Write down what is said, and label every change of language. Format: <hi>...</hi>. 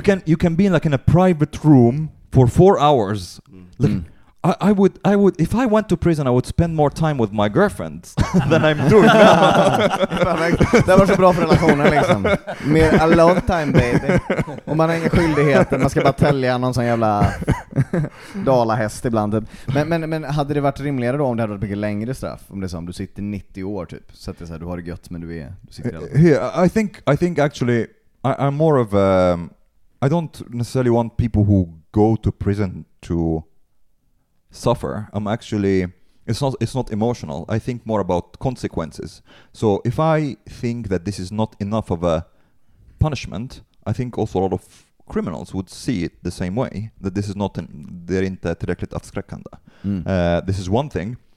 <en>You can be like in a private room for 4 hours. Like, I would if I went to prison, I would spend more time with my girlfriend than I'm doing now.</en> <sv>Det var så bra för relationen liksom. Mer</sv> <en>alone time, baby.</en> <sv>Och man har inga skyldigheter, man ska bara tälja någon sån jävla dalahäst ibland typ. Men hade det varit rimligare då om det hade varit mycket längre straff, om det är så, om du sitter 90 år typ, så att det är så här, du har det gött men du sitter</sv> <en>I think actually I'm more of a, I don't necessarily want people who go to prison to suffer. I'm actually, it's not emotional. I think more about consequences. So if I think that this is not enough of a punishment, I think also a lot of criminals would see it the same way, that this is not, they're</en> <sv>inte tillräckligt avskräckande.</sv> <en>This is one thing.</en>